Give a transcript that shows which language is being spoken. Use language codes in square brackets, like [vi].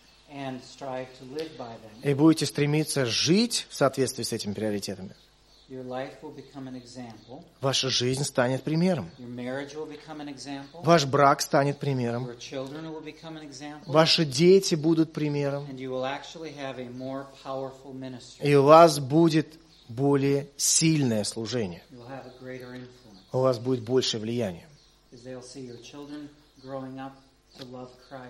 [en] and strive to live by them, [ru] и будете стремиться жить в соответствии с этими приоритетами, [en] your life will become an example. [ru] Ваша жизнь станет примером. [en] Your marriage will become an example. [ru] Ваш брак станет примером. [en] Your children will become an example. [ru] Ваши дети будут примером. [en] And you will actually have a more powerful ministry. [ru] И у вас будет более сильное служение. [en] You'll have a greater influence. [ru] У вас будет больше влияния. [en] Because they'll see your children growing up to love Christ.